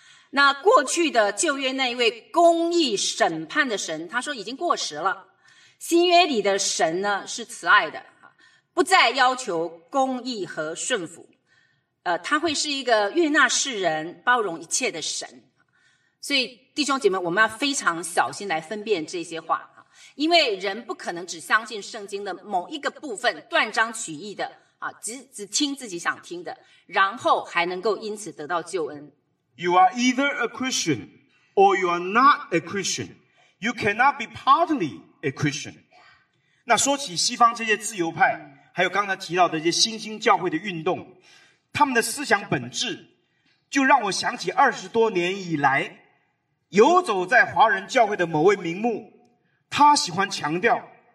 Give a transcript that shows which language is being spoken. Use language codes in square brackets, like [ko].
[zh] 那过去的旧约那一位公义审判的神，他说已经过时了，新约里的神呢是慈爱的，不再要求公义和顺服，他会是一个悦纳世人包容一切的神。所以弟兄姐妹，我们要非常小心来分辨这些话，因为人不可能只相信圣经的某一个部分断章取义的，只听自己想听的，然后还能够因此得到救恩。 [en] You are either a Christian or you are not a Christian. You cannot be partly a Christian. [zh] 那说起西方这些自由派，还有刚才提到的这些新兴教会的运动，他们的思想本质就让我想起20多年以来游走在华人教会的某位名目，他喜欢强调